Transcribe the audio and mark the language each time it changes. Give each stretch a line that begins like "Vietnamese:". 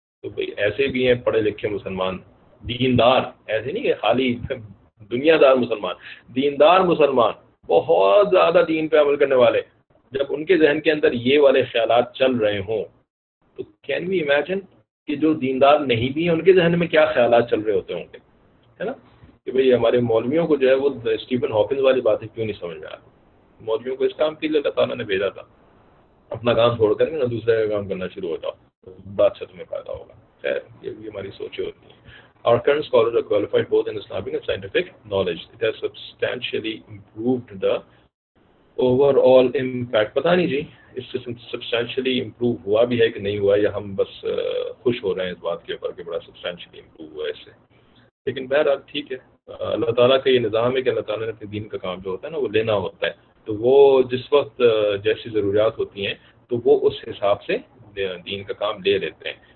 Urdu: تو بھائی ایسے بھی ہیں پڑھے لکھے مسلمان دیندار, ایسے نہیں کہ خالی دنیا دار مسلمان, دیندار مسلمان بہت زیادہ دین پہ عمل کرنے والے, جب ان کے ذہن کے اندر یہ والے خیالات چل رہے ہوں تو
English: can we imagine
Urdu: کہ جو دیندار نہیں بھی ہیں ان کے ذہن میں کیا خیالات چل رہے ہوتے ہوں گے. ہے نا, کہ بھائی ہمارے مولویوں کو جو ہے وہ اسٹیفن ہاکنز والی باتیں کیوں نہیں سمجھ میں آ رہی. مولویوں کو اس کام کے لیے اللہ تعالیٰ نے بھیجا تھا, اپنا کام چھوڑ کر نہ دوسرے کا کام کرنا شروع ہو جاؤ, بات سے تمہیں فائدہ ہوگا. خیر یہ بھی ہماری سوچیں ہوتی ہیں.
English: Our current scholars are qualified both in Islamic and scientific knowledge. It has substantially improved the overall impact.
Urdu: پتہ نہیں جی اس سے سبسٹینشلی امپروو ہوا بھی ہے کہ نہیں ہوا, یا ہم بس خوش ہو رہے ہیں اس بات کے اوپر کہ بڑا سبسٹینشلی امپروو ہوا ہے اس سے. لیکن بہرحال ٹھیک ہے, اللہ تعالیٰ کا یہ نظام ہے کہ اللہ تعالیٰ نے اپنے دین کا کام جو ہوتا ہے نا وہ لینا ہوتا ہے, تو وہ جس وقت جیسی ضروریات ہوتی ہیں تو وہ اس حساب سے دین کا کام لے لیتے ہیں.